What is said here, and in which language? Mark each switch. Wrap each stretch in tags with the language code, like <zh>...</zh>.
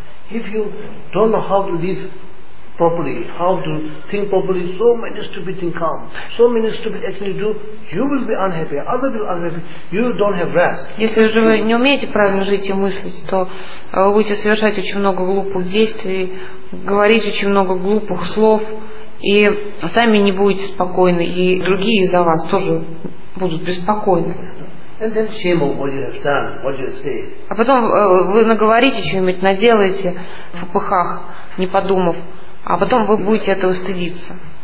<ru>Если вы не знаете, как жить</ru> <en>properly, how to think properly, so many stupid things come, so many stupid actions you do, you will be unhappy, others will be unhappy, you don't have rest.</en> <ru>Если же вы не умеете правильно жить и мыслить, то вы будете совершать очень много глупых действий, говорить очень много глупых слов, и сами не будете спокойны, и другие за вас тоже будут беспокойны.</ru> <en>And then shame of what you have done, what you say.</en> <ru>А потом вы наговорите что-нибудь, наделаете в пыхах, не подумав. А потом вы будете этого стыдиться.</ru>